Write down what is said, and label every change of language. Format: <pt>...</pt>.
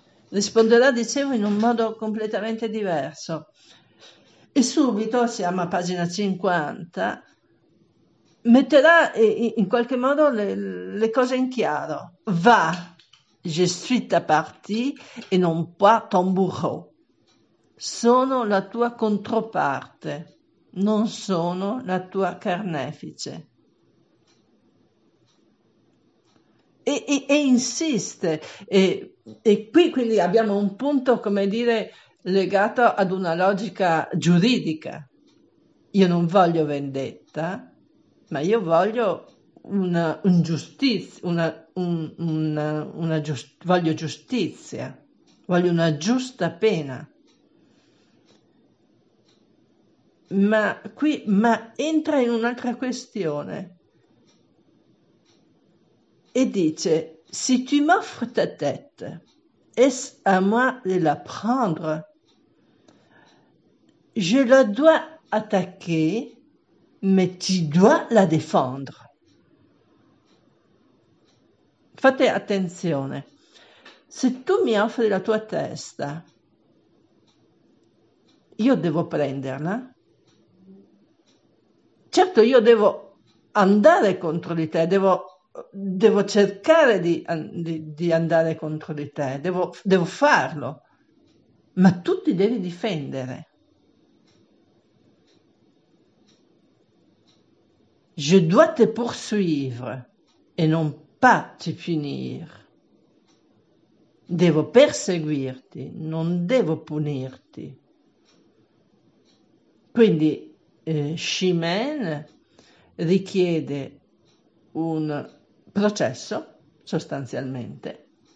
<it>Risponderà, dicevo, in un modo completamente diverso. E subito, siamo a pagina 50, metterà in qualche modo le cose in chiaro.</it> <fr>Va, je suis ta partie e non pas ton bourreau.</fr> <it>Sono la tua controparte, non sono la tua carnefice. E insiste. E qui quindi abbiamo un punto, come dire, legato ad una logica giuridica. Io non voglio vendetta, ma io voglio giustizia, voglio una giusta pena. Ma entra in un'altra questione e dice:</it> <fr>si tu m'offres ta tête, est-ce à moi de la prendre? Je la dois attaquer, mais tu dois la défendre.</fr> <it>Fate attenzione. Se tu mi offri la tua testa, io devo prenderla? Certo, io devo andare contro di te, devo cercare di andare contro di te, devo farlo, ma tu ti devi difendere.</it> <fr>Je dois te poursuivre e non pas te punir.</fr> <it>Devo perseguirti, non devo punirti. Quindi Chimène richiede un processo, sostanzialmente.</it>